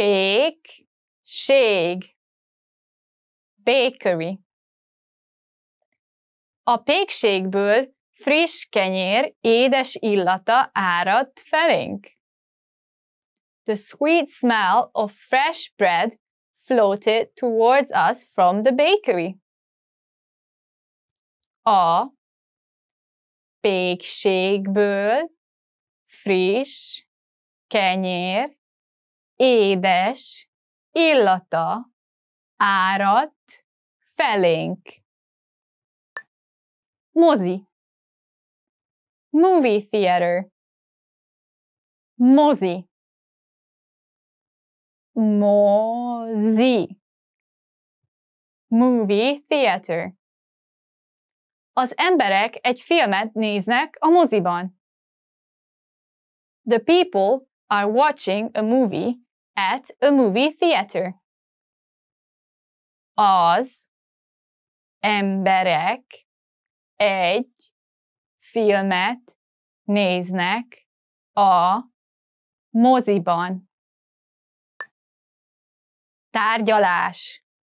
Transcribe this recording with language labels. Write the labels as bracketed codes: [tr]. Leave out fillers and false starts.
[hu] Pékség. Bakery. A pékségből friss kenyér édes illata áradt felénk. [en] The sweet smell of fresh bread floated towards us from the bakery. [hu] A pékségből friss kenyér édes illata áradt felénk. Mozi. [en] Movie theater. [hu] Mozi. Mozi. Movie theater. Az emberek egy filmet néznek a moziban. [en] The people are watching a movie at a movie theater. [hu] Az emberek egy filmet néznek a moziban. Tárgyalás.